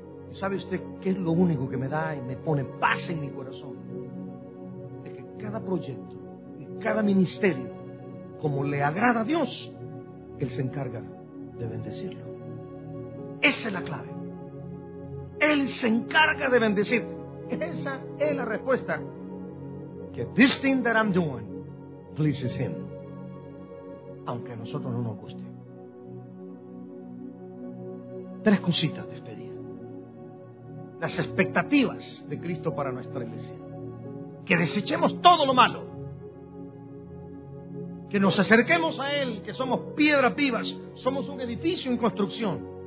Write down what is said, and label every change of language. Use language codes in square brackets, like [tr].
[es] ¿Sabe usted qué es lo único que me da y me pone paz en mi corazón? Es que cada proyecto y cada ministerio, como le agrada a Dios, Él se encarga de bendecirlo. Esa es la clave. Él se encarga de bendecir. Esa es la respuesta. [en] Que this thing that I'm doing pleases Him. [es] Aunque a nosotros no nos guste. 3 cositas de este día. Las expectativas de Cristo para nuestra iglesia. Que desechemos todo lo malo. Que nos acerquemos a Él, que somos piedras vivas, somos un edificio en construcción.